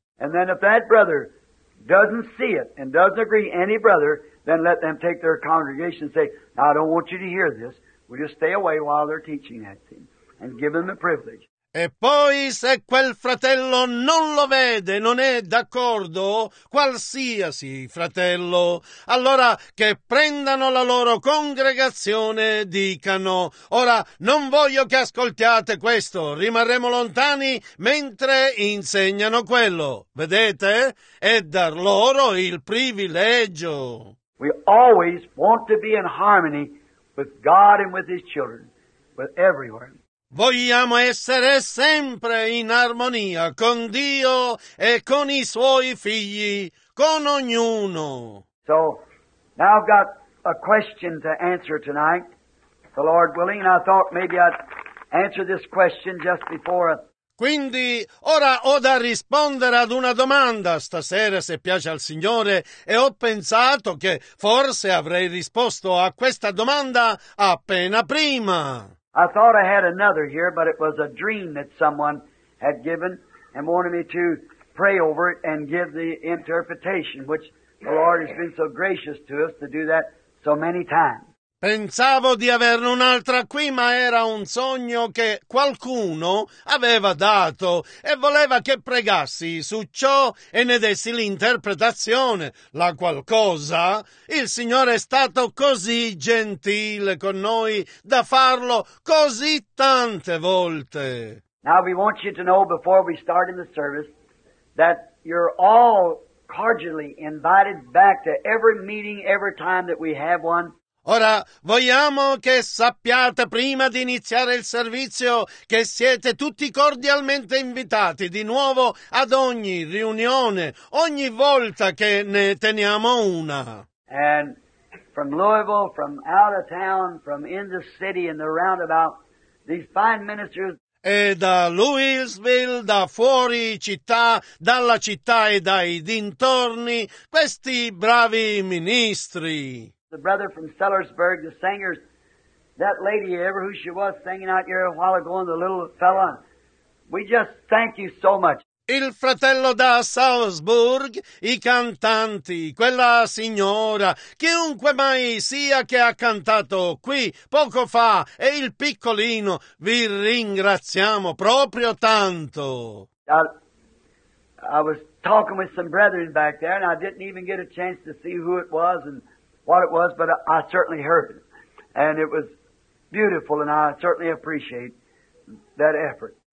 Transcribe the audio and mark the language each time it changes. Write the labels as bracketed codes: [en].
[en] And then if that brother doesn't see it and doesn't agree any brother, then let them take their congregation and say, "Now, I don't want you to hear this. We'll just stay away while they're teaching that thing," and give them the privilege. [it] E poi se quel fratello non lo vede, non è d'accordo, qualsiasi fratello, allora che prendano la loro congregazione e dicano: ora non voglio che ascoltiate questo, rimarremo lontani mentre insegnano quello. Vedete? E dar loro il privilegio. [en] We always want to be in harmony with God and with His children, with everyone. [it] Vogliamo essere sempre in armonia con Dio e con i Suoi figli, con ognuno. [en] So, now I've got a question to answer tonight, the Lord willing. I thought maybe I'd answer this question just before. [it] Quindi, ora ho da rispondere ad una domanda stasera, se piace al Signore, e ho pensato che forse avrei risposto a questa domanda appena prima. [en] I thought I had another here, but it was a dream that someone had given and wanted me to pray over it and give the interpretation, which the Lord has been so gracious to us to do that so many times. [it] Pensavo di averne un'altra qui, ma era un sogno che qualcuno aveva dato e voleva che pregassi su ciò e ne dessi l'interpretazione, la qualcosa. Il Signore è stato così gentile con noi da farlo così tante volte. [en] Now we want you to know before we start in the service that you're all cordially invited back to every meeting, every time that we have one. [it] Ora, vogliamo che sappiate prima di iniziare il servizio che siete tutti cordialmente invitati di nuovo ad ogni riunione, ogni volta che ne teniamo una. [en] And from Louisville, from out of town, from in the city and the roundabout, these fine ministers. [it] E da Louisville, da fuori città, dalla città e dai dintorni, questi bravi ministri. [en] The brother from Sellersburg, the singers, that lady, ever who she was singing out here a while ago, and the little fella, We just thank you so much. [it] Il fratello da Salzburg, i cantanti, quella signora, chiunque mai sia che ha cantato qui poco fa, e il piccolino, vi ringraziamo proprio tanto. [en] I was talking with some brethren back there and I didn't even get a chance to see who it was and what it was, but I certainly heard it. And it was beautiful and I certainly appreciate that effort.